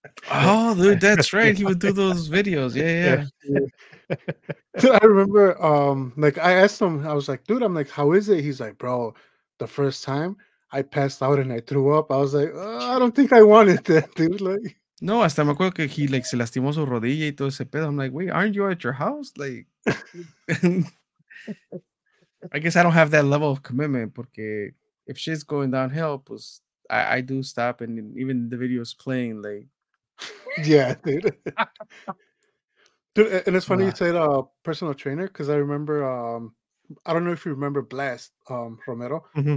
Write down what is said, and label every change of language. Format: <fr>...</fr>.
<en>Oh, dude, that's right. He would do those videos. Yeah. Dude, I remember, I asked him, I was like, dude, I'm like, how is it? He's like, bro, the first time. I passed out and I threw up. I was like, oh, I don't think I wanted that, dude. Like,</en> <es>no, hasta me acuerdo que he like se lastimó su rodilla y todo ese pedo.</es> <en>I'm like, wait, aren't you at your house? Like, I guess I don't have that level of commitment.</en> <es>Porque</es> <en>if shit's going downhill,</en> <es>pues</es> <en>I do stop, and even the video is playing, like. Yeah, dude. Dude, and it's funny you said personal trainer, because I remember, I don't know if you remember Blast Romero, mm-hmm.</en>